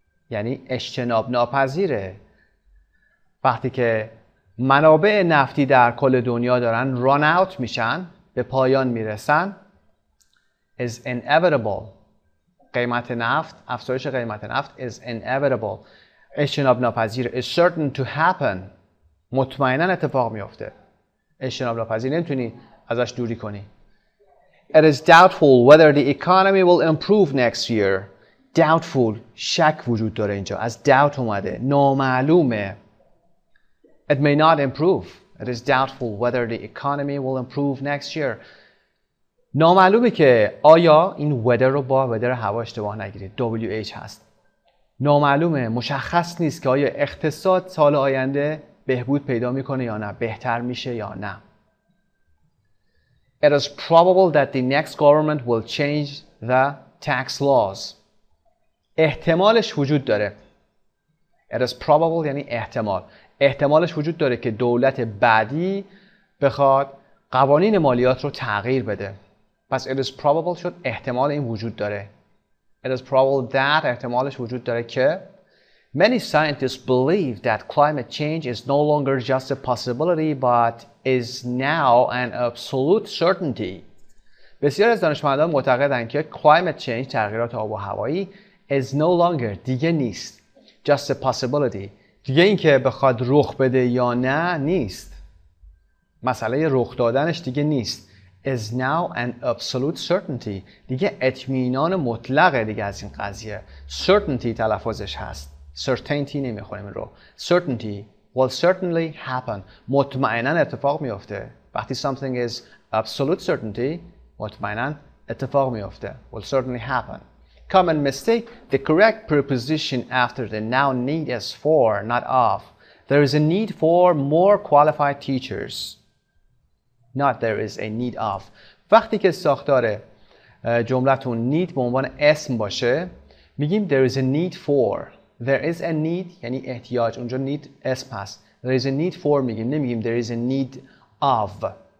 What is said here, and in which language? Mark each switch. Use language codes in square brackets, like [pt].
[fa] یعنی اجتناب ناپذیره. وقتی که منابع نفتی در کل دنیا دارن [en] run out [fa] میشن، به پایان میرسن. Is inevitable. قیمت نفت، افزایش قیمت نفت is inevitable. اجتناب ناپذیر [en] is certain to happen. [fa] مطمئنن اتفاق میفته. اجتناب ناپذیر نمیتونی ازش دوری کنی. [en] It is doubtful whether the economy will improve next year. [fa] Doubtful. شک وجود داره اینجا. از doubt اومده. نامعلومه. [en] It may not improve. It is doubtful whether the economy will improve next year. [fa] نامعلومه که آیا این weather رو با weather هوا اشتباه نگیرید. WH هست. نامعلومه، مشخص نیست که آیا اقتصاد سال آینده بهبود پیدا میکنه یا نه، بهتر میشه یا نه. [en] It is probable that the next government will change the tax laws. [fa] احتمالش وجود داره. [en] It is probable [fa] یعنی احتمال. احتمالش وجود داره که دولت بعدی بخواد قوانین مالیات رو تغییر بده. پس [en] it is probable [fa] شد احتمال این وجود داره. [en] It is probable that [fa] احتمالش وجود داره که [en] many scientists believe that climate change is no longer just a possibility but is now an absolute certainty. [fa] بسیار از دانشمندان معتقدند که [en] climate change [fa] تغییرات آب و هوایی [en] is no longer [fa] دیگه نیست [en] just a possibility. [fa] دیگه این که بخواد رخ بده یا نه نیست. مسئله رخ دادنش دیگه نیست. [en] Is now an absolute certainty. [fa] دیگه اطمینان مطلقه دیگه از این قضیه. Certainty تلفظش هست. Certainty نمیخونیم رو. [en] Certainty will certainly happen. [fa] مطمئنن اتفاق میفته. وقتی [en] something is absolute certainty [fa] مطمئنن اتفاق میفته. [en] Will certainly happen. Common mistake. The correct preposition after the noun need is for, not of. There is a need for more qualified teachers. Not there is a need of. [fa] وقتی که ساختار جملتون need به عنوان اسم باشه میگیم there is a need for. [en] There is a need [fa] یعنی احتیاج. اونجا [en] need [fa] اسم هست. [en] There is a need for [fa] میگیم. نمیگیم [en] there is a need of.